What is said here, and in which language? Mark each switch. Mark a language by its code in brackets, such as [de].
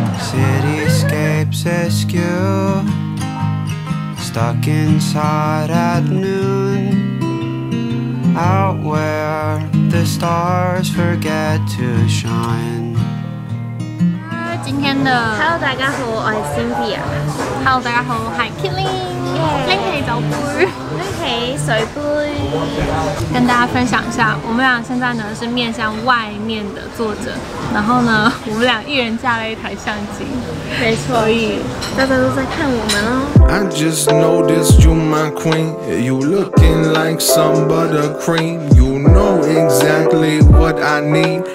[en] Cityscapes askew, stuck inside at noon, out where the stars forget to shine. [zh] 今天的 Hello 大家好，我是 Cynthia。 Hello 大家好，我是 Killing。拎起酒杯，拎起水杯，跟大家分享一下，我们俩现在呢是面向外面的坐着，然后呢我们俩一人架了一台相机，没错，所以大家都在看我们哦。 [en] I just noticed you, my queen. You looking like some buttercream. You know exactly what I need.